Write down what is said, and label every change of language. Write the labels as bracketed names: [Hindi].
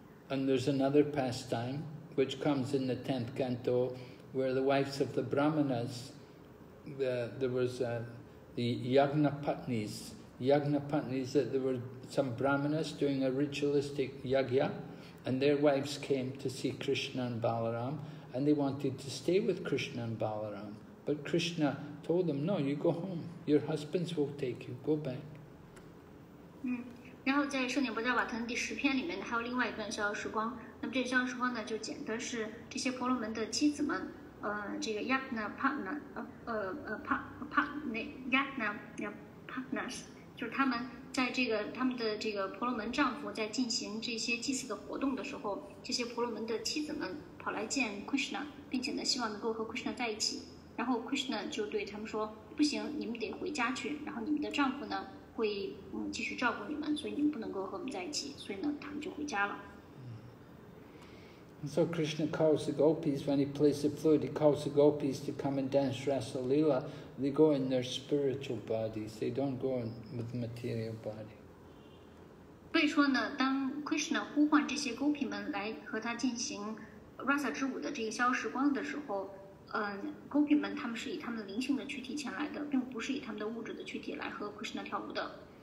[English] And there's another pastime which comes in the 10th canto, where the wives of the brahmanas, there was the yagna patnis, that there were some brahmanas doing a ritualistic yagya, and their wives came to see Krishna and Balaram, and they wanted to stay with Krishna and Balaram, but Krishna told them, no, you go home, your husbands will take you, go back. [Chinese] 然后在圣典波迦瓦腾第十篇里面还有另外一段逍遥时光，那么这逍遥时光呢就讲的是这些婆罗门的妻子们，这个 Yagna Patnas 就是他们在这个他们的这个婆罗门丈夫在进行这些祭祀的活动的时候，这些婆罗门的妻子们跑来见 Krishna， 并且呢希望能够和 Krishna 在一起，然后 Krishna 就对他们说，不行，你们得回家去，然后你们的丈夫呢会继续照顾你们，所以你们不能够和我们在一起，所以呢，他们就回家了。 [English] So Krishna calls the gopis when he plays the flute. He calls the gopis to come and dance Rasa Lila. They go in their spiritual bodies. They don't go in with material body. [Chinese] 所以说呢，当 Krishna 呼唤这些 gopi 们来和他进行 Rasa 之舞的这个逍遥时光的时候，gopi 们他们是以他们的灵性的躯体前来的，并不是以他们的物质的躯体来和 Krishna 跳舞的。